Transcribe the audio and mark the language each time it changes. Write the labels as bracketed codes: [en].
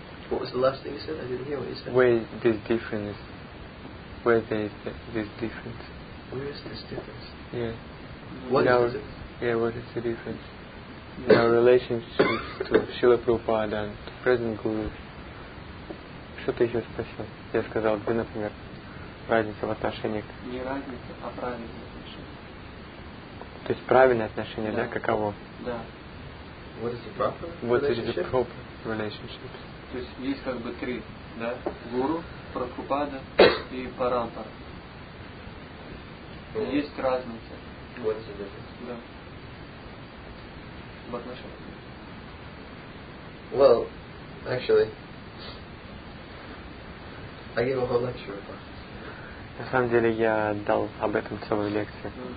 [en] What was the last thing you said? I didn't hear what you said. Where is this difference? What is the difference? Our relationship to Srila Prabhupada and present gurus. [ru] что ты еще спросил? Я сказал, где, например, разница в отношении к... Не разница, а правильное отношение. То есть правильное отношение, да? Каково? Да. Вот эти правила. Вот эти правила relationship. То есть есть как бы три, да? Гуру, Прабхупада и Парампара. Есть разница. Вот эти две. Да. В отношении. [en] Well, actually, I gave a whole lecture about [ru] this. На самом деле, я дал об этом целую лекцию.